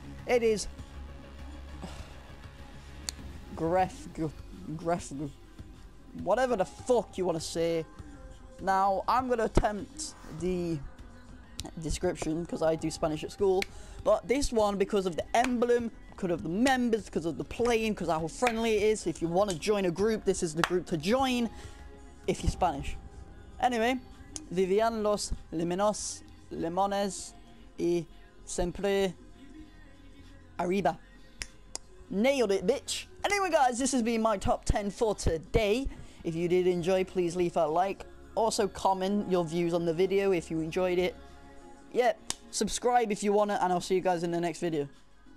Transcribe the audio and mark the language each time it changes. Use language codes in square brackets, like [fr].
[en] It is Gref, whatever the fuck you want to say. Now, I'm going to attempt the description because I do Spanish at school, but this one, because of the emblem, because of the members, because of the playing, because how friendly it is. If you want to join a group, this is the group to join. if you're Spanish. [es] Anyway, vivían los limonos, limones y siempre arriba. [en] Nailed it, bitch. Anyway, guys, this has been my top 10 for today. If you did enjoy, please leave a like. Also, comment your views on the video if you enjoyed it. Yeah, subscribe if you wanna, and I'll see you guys in the next video.